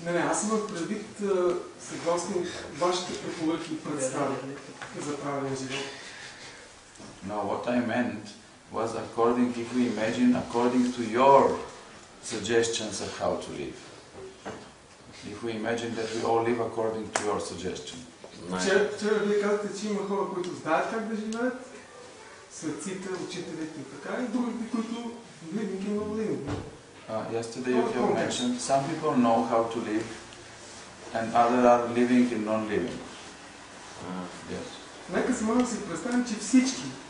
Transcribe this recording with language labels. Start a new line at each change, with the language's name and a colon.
Bulgarian: Аз имам предвид съгласно вашите препоръки и представи за правилен живот.
English: No, what I meant was according, if we imagine, according to your suggestions of how to live. If we imagine that we all live according to your suggestion.
Bulgarian: Вчера вие казвате, че има хора, които знаят как да живеят, светците, учителите и така, и другите, които винаги не могат.
English: Yesterday you have mentioned some people know how to live and others are living and non-living.
Bulgarian: Нека си можем да си представим, че всички